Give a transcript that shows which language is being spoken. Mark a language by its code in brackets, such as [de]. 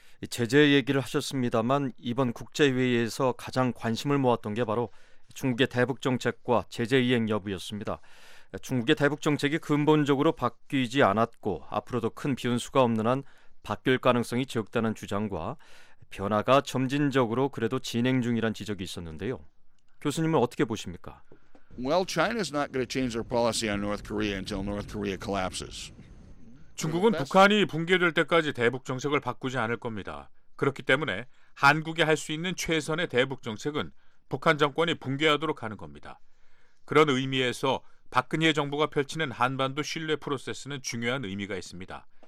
[ko] 제재 얘기를 하셨습니다만 이번 국제회의에서 가장 관심을 모았던 게 바로 중국의 대북 정책과 제재 이행 여부였습니다. 중국의 대북 정책이 근본적으로 바뀌지 않았고 앞으로도 큰 변수가 없는 한 바뀔 가능성이 적다는 주장과 변화가 점진적으로 그래도 진행 중이란 지적이 있었는데요. 교수님은 어떻게 보십니까? [en] Well, China's not going to change their policy on North Korea until North Korea collapses. [ko] 중국은 북한이 붕괴될 때까지 대북 정책을 바꾸지 않을 겁니다. 그렇기 때문에 한국이 할 수 있는 최선의 대북 정책은 북한 정권이 붕괴하도록 하는 겁니다. 그런 의미에서 박근혜 정부가 펼치는 한반도 신뢰 프로세스는 중요한 의미가 있습니다.